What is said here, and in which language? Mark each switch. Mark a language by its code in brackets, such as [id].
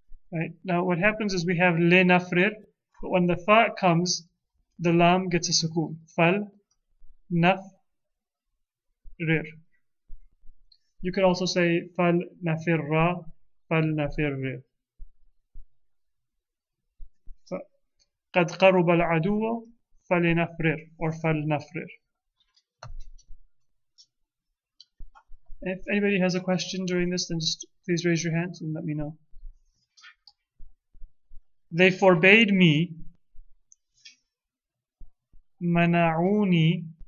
[en] Right. Now what happens is we have le nafrir, but when the fa comes, the lam gets a sukun. Fal naf rir. You could also say fal nafirra, fal nafir. [ar] قد قرب العدو فلنفرر or فلنفرر. [en] If anybody has a question during this, then just please raise your hands and let me know. They forbade me, [ar] منعوني.